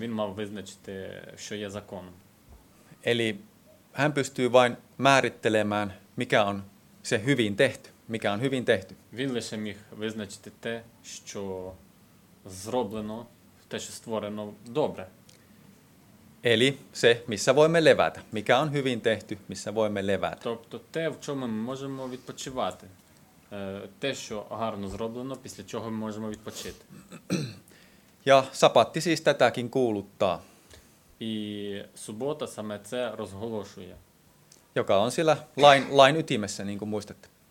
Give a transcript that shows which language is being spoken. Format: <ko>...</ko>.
<uk>Він мав визначити, що є законом.</uk> <fi>Eli hän pystyy vain määrittelemään, mikä on se hyvin tehty, mikä on hyvin tehty.</fi> <uk>Він лише міг визначити те, що зроблено, те, що створено добре.</uk> <fi>Eli se, missä voimme levätä, mikä on hyvin tehty, missä voimme levätä.</fi> <uk>Тобто те, в чому ми можемо відпочивати. Те, що гарно зроблено, після чого ми можемо відпочити.</uk> <fi>Ja sapatti siis tätäkin kuuluttaa.</fi> <uk>І субота саме це розголошує.</uk> <fi>Joka on siellä lain ytimessä, niin kuin muistatte.</fi>